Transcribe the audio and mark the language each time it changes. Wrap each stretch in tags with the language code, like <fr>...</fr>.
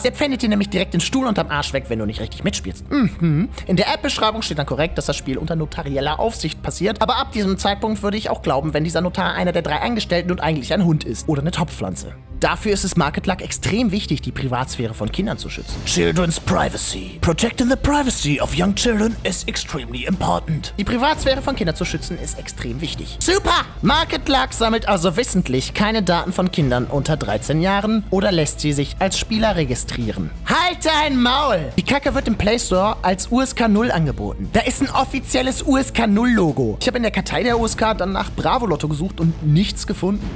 <de>Der pfändet dir nämlich direkt den Stuhl unterm Arsch weg, wenn du nicht richtig mitspielst. Mhm. In der App-Beschreibung steht dann korrekt, dass das Spiel unter notarieller Aufsicht passiert. Aber ab diesem Zeitpunkt würde ich auch glauben, wenn dieser Notar einer der 3 Angestellten und eigentlich ein Hund ist. Oder eine Topfpflanze. Dafür ist es Market Luck extrem wichtig, die Privatsphäre von Kindern zu schützen.</de> <en>Children's privacy. Protecting the privacy of young children is extremely important.</en> <de>Die Privatsphäre von Kindern zu schützen ist extrem wichtig. Super! Market Luck sammelt also wissentlich keine Daten von Kindern unter 13 Jahren oder lässt sie sich als Spieler registrieren. Halt dein Maul! Die Kacke wird im Play Store als USK 0 angeboten. Da ist ein offizielles USK 0 Logo. Ich habe in der Kartei der USK dann nach Bravo-Lotto gesucht und nichts gefunden.</de>